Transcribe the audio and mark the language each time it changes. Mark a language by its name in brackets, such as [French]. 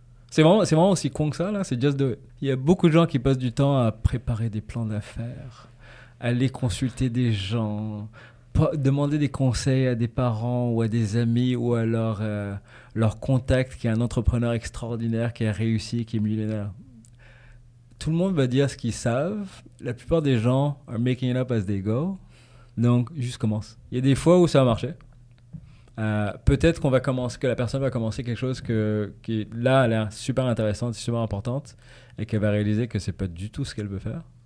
[French] C'est vraiment aussi con que ça, là, c'est [English] just do it. [French] Il y a beaucoup de gens qui passent du temps à préparer des plans d'affaires, aller consulter des gens, demander des conseils à des parents ou à des amis ou à leur contact qui est un entrepreneur extraordinaire, qui a réussi, qui est millionnaire. Tout le monde va dire ce qu'ils savent. La plupart des gens [English] are making it up as they go. [French] Donc, juste commence. Il y a des fois où ça va marcher. Peut-être qu'on va commencer, que la personne va commencer quelque chose qui là, elle est super intéressante, super importante, et qu'elle va réaliser que c'est pas du tout ce qu'elle veut faire.